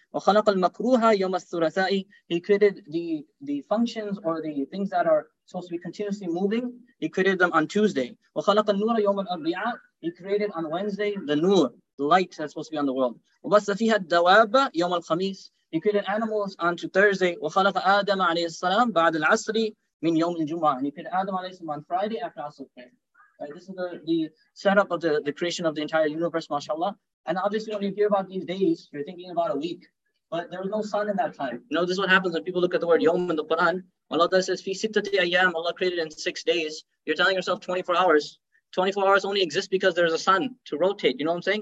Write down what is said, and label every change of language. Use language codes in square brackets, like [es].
[ar] وَخَلَقَ الْمَكْرُوهَ يَوْمَ الثُّلَثَاءِ, [en] he created the functions or the things that are supposed to be continuously moving, he created them on Tuesday. [ar] وَخَلَقَ النُّورَ يَوْمَ الْأَرْبِعَاءِ, [en] he created on Wednesday the nur, the light that's supposed to be on the world. [ar] وَبَثَّ فِيهَا الدَّوَابَ يَوْمَ الْخَمِيسِ, [en] he created animals on Thursday. [ar] وَخَلَقَ آدَمَ عَلَيْهِ السَّلَامِ بَعْدَ الْعَصْرِ مِنْ يَوْمِ الْجُمْعَةِ, [en] he created Adam [ar] عليه السلام [en] on Friday after Asr. Right, this is the setup of the creation of the entire universe, mashallah. And obviously when you hear about these days, you're thinking about a week. But there was no sun in that time. You know, this is what happens when people look at the word yom in the Quran. Allah says, [ar] fi sittati ayyam, [en] Allah created in 6 days. You're telling yourself 24 hours. 24 hours only exist because there's a sun to rotate. You know what I'm saying?